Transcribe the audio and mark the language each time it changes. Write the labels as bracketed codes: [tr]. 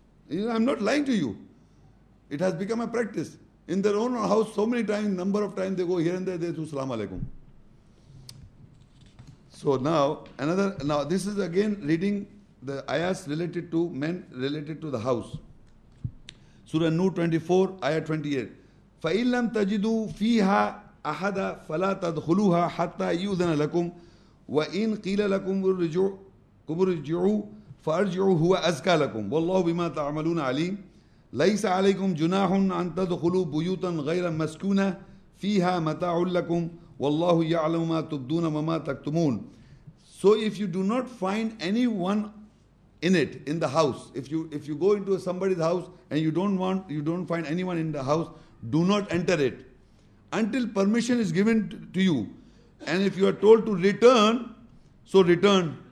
[en] You know, I'm not lying to you. It has become a practice. In their own house, so many times, number of times, they go here and there, they do salamu alaikum. So now this is again reading the ayahs related to men, related to the house. Surah An-Nur 24, ayah 28. [ar] فَإِن لَمْ تَجِدُوا فِيهَا أحد فلا تدخلوها حتى يؤذن لكم وإن قيل لكم ارجعوا فارجعوا هو أزكى لكم والله بما تعملون عليم ليس عليكم جناح أن تدخلوا بيوتا غير مسكونة فيها متاع لكم والله يعلم ما تبدون وما تكتمون. [en] So if you do not find anyone in it, in the house, if you go into somebody's house and you don't find anyone in the house, do not enter it until permission is given to you. And if you are told to return, so return.